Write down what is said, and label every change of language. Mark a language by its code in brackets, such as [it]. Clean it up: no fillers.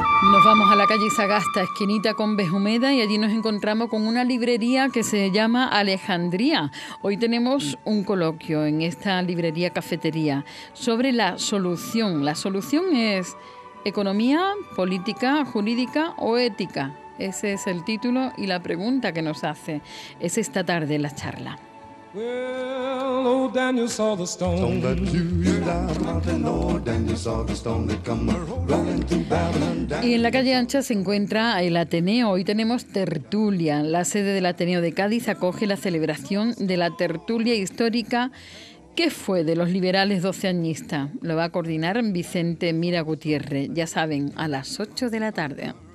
[es] Nos vamos a la calle Sagasta, esquinita con Bejumeda, y allí nos encontramos con una librería que se llama Alejandría. Hoy tenemos un coloquio en esta librería cafetería sobre la solución. ¿La solución es economía, política, jurídica o ética? Ese es el título y la pregunta que nos hace. Es esta tarde la charla. [en] Well, old Daniel saw the stone that drew you down, mountain. Old Daniel saw the stone that come rolling through Babylon. [es] Y en la calle Ancha se encuentra el Ateneo. Hoy tenemos tertulia. La sede del Ateneo de Cádiz acoge la celebración de la tertulia histórica. ¿Qué fue de los liberales doceañistas? Lo va a coordinar Vicente Mira Gutiérrez. Ya saben, a las 8 de la tarde.